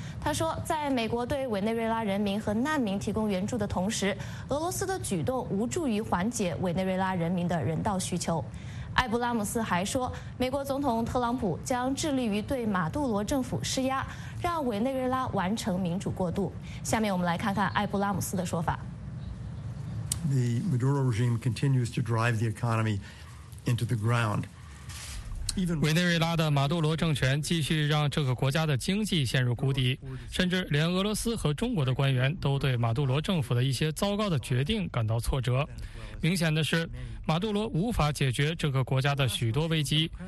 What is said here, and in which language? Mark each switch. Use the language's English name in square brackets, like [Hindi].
[Chinese] 他说，在美国对委内瑞拉人民和难民提供援助的同时，俄罗斯的举动无助于缓解委内瑞拉人民的人道需求。艾布拉姆斯还说，美国总统特朗普将致力于对马杜罗政府施压，让委内瑞拉完成民主过渡。下面我们来看看艾布拉姆斯的说法。 [English] The Maduro regime continues to drive the economy into the ground. [Chinese] 委内瑞拉的马杜罗政权继续让这个国家的经济陷入谷底，甚至连俄罗斯和中国的官员都对马杜罗政府的一些糟糕的决定感到挫折。明显的是，马杜罗无法解决这个国家的许多危机。